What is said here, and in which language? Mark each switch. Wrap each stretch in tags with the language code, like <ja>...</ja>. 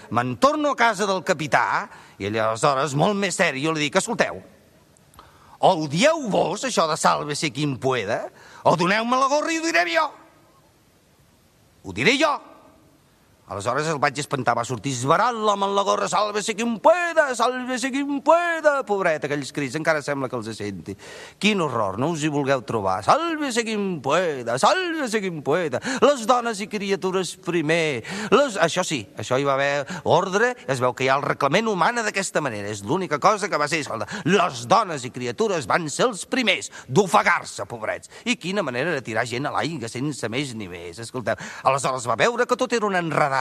<ca>Me'n torno a casa del capità i aleshores, molt més seri, jo li dic: escolteu, o ho dieu vos, això de</ca> <es>sàlvese quin pueda,</es> <ca>o doneu-me la gorra i ho diré jo. Ho diré jo. Aleshores el vaig espantar, va sortir esbarat l'home en la gorra:</ca> <es>sálvese quien pueda, sálvese quien pueda.</es> <ca>Pobret, aquells crits, encara sembla que els senti. Quin horror, no us hi vulgueu trobar.</ca> <es>Sálvese quien pueda, sálvese quien pueda.</es> <ca>Les dones i criatures primer. Això sí, això hi va haver ordre, es veu que hi ha el reglament humana d'aquesta manera. És l'única cosa que va ser. Les dones i criatures van ser els primers d'ofegar-se, pobrets. I quina manera de tirar gent a l'aigua sense més ni més. Escolteu, aleshores va veure que tot era un enredat.</ca>